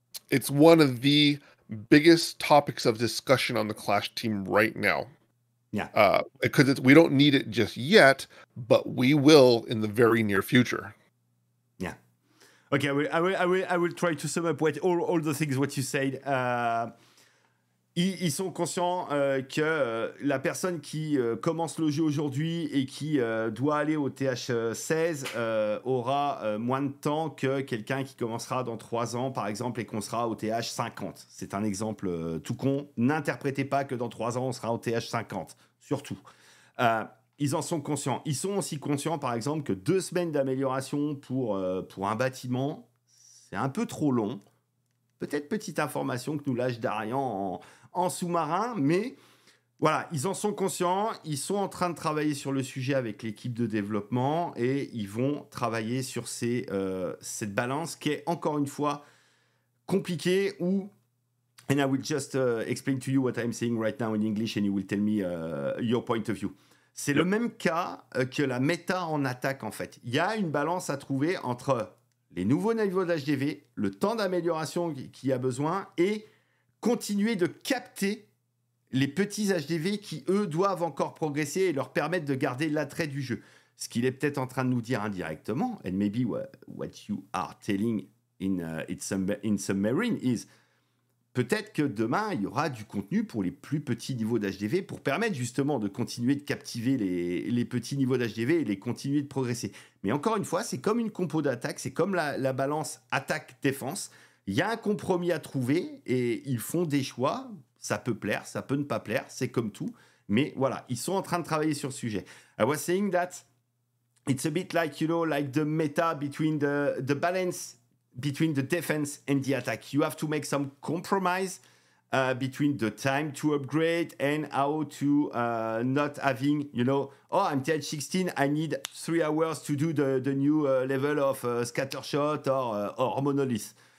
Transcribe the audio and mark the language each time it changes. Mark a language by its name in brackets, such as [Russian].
[English] It's one of the biggest topics of discussion on the Clash team right now. Yeah. Because we don't need it just yet, but we will in the very near future. Yeah. Okay. I will try to sum up all the things what you said. [French] Ils sont conscients que la personne qui commence le jeu aujourd'hui et qui doit aller au TH16 aura moins de temps que quelqu'un qui commencera dans 3 ans, par exemple, et qu'on sera au TH50. C'est un exemple tout con. N'interprétez pas que dans 3 ans, on sera au TH50, surtout. Ils en sont conscients. Ils sont aussi conscients, par exemple, que 2 semaines d'amélioration pour un bâtiment, c'est un peu trop long. Peut-être petite information que nous lâche Darian en sous-marin, mais voilà, ils en sont conscients, ils sont en train de travailler sur le sujet avec l'équipe de développement et ils vont travailler sur cette balance qui est encore une fois compliquée, où [English] And I will just explain to you what I'm saying right now in English and you will tell me your point of view. [French] C'est yep. le même cas que la méta en attaque, en fait. Il y a une balance à trouver entre les nouveaux niveaux d'HDV, le temps d'amélioration qu'il y a besoin et continuer de capter les petits HDV qui, eux, doivent encore progresser et leur permettre de garder l'attrait du jeu. Ce qu'il est peut-être en train de nous dire indirectement, [English] and maybe what you are telling in submarine is, [French] peut-être que demain, il y aura du contenu pour les plus petits niveaux d'HDV pour permettre justement de continuer de captiver les petits niveaux d'HDV et les continuer de progresser. Mais encore une fois, c'est comme une compo d'attaque, c'est comme la balance attaque-défense. Il y a un compromis à trouver et ils font des choix. Ça peut plaire, ça peut ne pas plaire, c'est comme tout. Mais voilà, ils sont en train de travailler sur le sujet. [English] I was saying that it's a bit like, you know, like the meta between the balance between the defense and the attack. You have to make some compromise between the time to upgrade and how to not having, you know, oh, I'm tier 16, I need 3 hours to do the new level of scattershot or monolith.